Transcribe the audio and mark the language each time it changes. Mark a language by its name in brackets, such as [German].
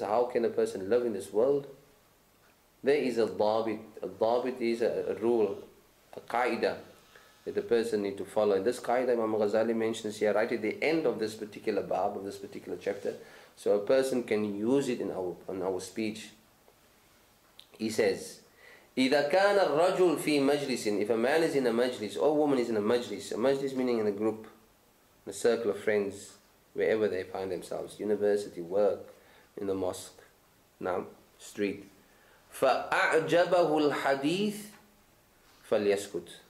[English] How can a person live in this world? There is a dhabit. A dhabit is a rule, a qaida that a person need to follow. And this qaida Imam Ghazali mentions here right at the end of this particular bab, of this particular chapter. So a person can use it in our speech. He says, [Arabic] إِذَا كَانَ الرَّجُلْ فِي مَجْلِسٍ. [English] If a man is in a majlis, or a woman is in a majlis meaning in a group, in a circle of friends, wherever they find themselves, university, work, in the mosque, now, street, [Arabic] فَأَعْجَبَهُ الْحَدِيثِ فَلْيَسْكُتْ.